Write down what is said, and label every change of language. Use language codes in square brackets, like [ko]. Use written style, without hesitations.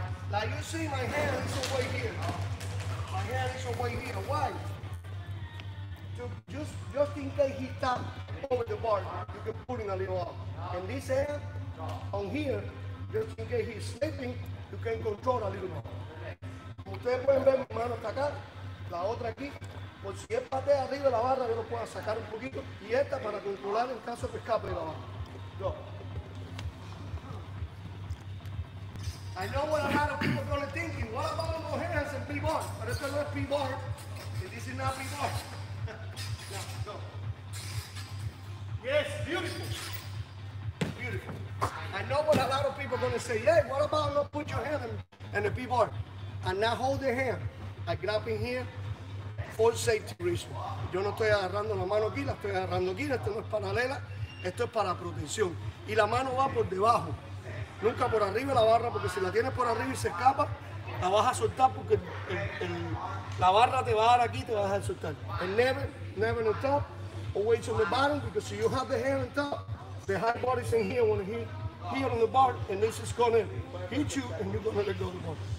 [en] Now you see my hand is away here. My hand is away here. Why? Just in case he tap over the bar, you can put him a little up. And this hand on here, just in case he's sleeping, you can control a little more. [es] Ustedes pueden ver mi mano está acá, la otra aquí. Por si él patea arriba de la barra, yo lo puedo sacar un poquito. Y esta para controlar en caso que escape de la barra. Yo. [en] I know what a lot of people are going to think. What about no hands and P-bar? But this is not P-bar. This is not P-bar. Now, go. Yes, beautiful. Beautiful. I know what a lot of people are going to say. Hey, what about not put your hand in the P-bar? And not hold the hand. I grab in here for safety reasons. [es] Yo no estoy agarrando la mano aquí, la estoy agarrando aquí. Esto no es paralela. Esto es para protección. Y la mano va por debajo. Nunca por arriba de la barra, porque si la tienes por arriba y se escapa, la vas a soltar porque la barra te va a dar aquí y te va a dejar soltar. [en] And never, never on top, always on the bottom, because if you have the hand on top, the high body is in here, when it hit here on the bar, and this is gonna hit you and you're gonna let go of the bar.